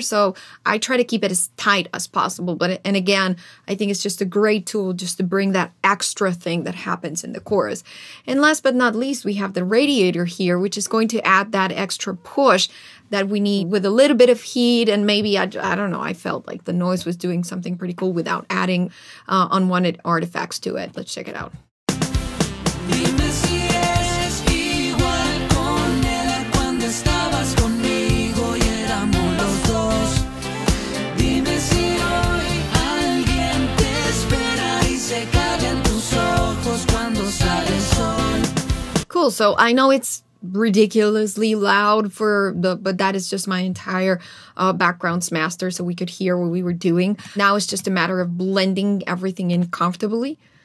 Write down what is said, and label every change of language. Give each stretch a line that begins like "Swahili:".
English: So I try to keep it as tight as possible. And again, I think it's just a great tool just to bring that extra thing that happens in the chorus. And last but not least, we have the radiator here, which is going to add that extra push that we need with a little bit of heat. And maybe, I don't know, I felt like the noise was doing something pretty cool without adding unwanted artifacts to it. Let's check it out.
Spanish: Dime si es igual con él cuando estabas conmigo y éramos los dos. Dime si hoy alguien te espera y se calla en tus ojos cuando sale el sol.
English: Cool, so I know it's ridiculously loud for the, but that is just my entire background's master, so we could hear what we were doing. Now it's just a matter of blending everything in comfortably.